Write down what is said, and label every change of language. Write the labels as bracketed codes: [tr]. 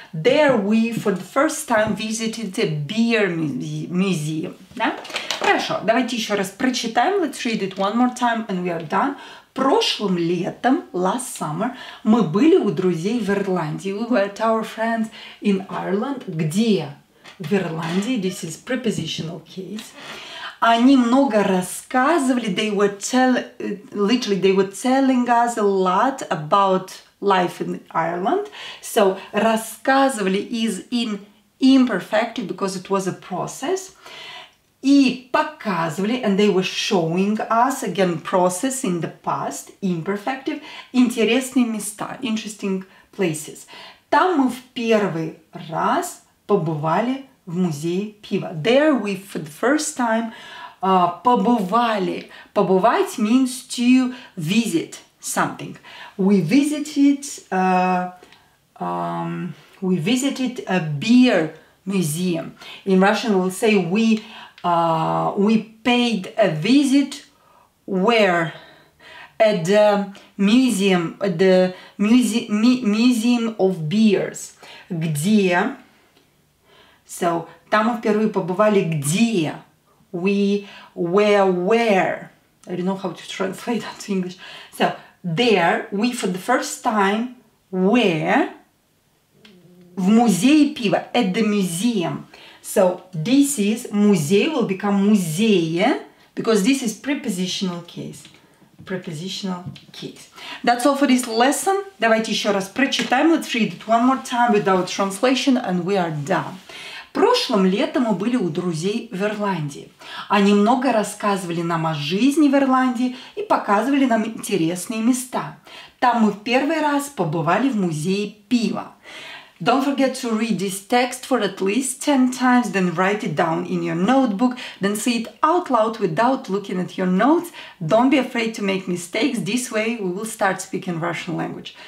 [en] There we for the first time visited the beer museum. [ru] Да? Хорошо, давайте еще раз прочитаем. [en] Let's read it one more time and we are done. [ru] Прошлым летом, [en] last summer, [ru] мы были у друзей в Ирландии. [en] We were at our friends in Ireland. [ru] Где? В Ирландии. [en] This is prepositional case. [ru] Они много рассказывали. [en] They were telling us a lot about life in Ireland. So, [ru] рассказывали [en] is in imperfective because it was a process. [ru] И показывали, [en] and they were showing us, again, process in the past, imperfective, [ru] интересные места, [en] interesting places. [ru] Там мы в первый раз побывали в музее пива. [en] There we, for the first time, [ru] побывали. Побывать [en] means to visit something. We visited a beer museum. In Russian, we'll say we paid a visit where at the museum, museum of beers. [ru] Где? So там мы впервые побывали. Где? [en] We were where? I don't know how to translate that to English. So there we for the first time were [ru] в музее пива, [en] at the museum. So, this is [ru] музей, [en] will become [ru] музее, [en] because this is prepositional case. Prepositional case. That's all for this lesson. [ru] Давайте еще раз прочитаем. [en] Let's read it one more time without translation, and we are done. [ru] Прошлым летом мы были у друзей в Ирландии. Они много рассказывали нам о жизни в Ирландии и показывали нам интересные места. Там мы в первый раз побывали в музее пива. [en] Don't forget to read this text for at least 10 times, then write it down in your notebook, then say it out loud without looking at your notes. Don't be afraid to make mistakes. This way we will start speaking Russian language.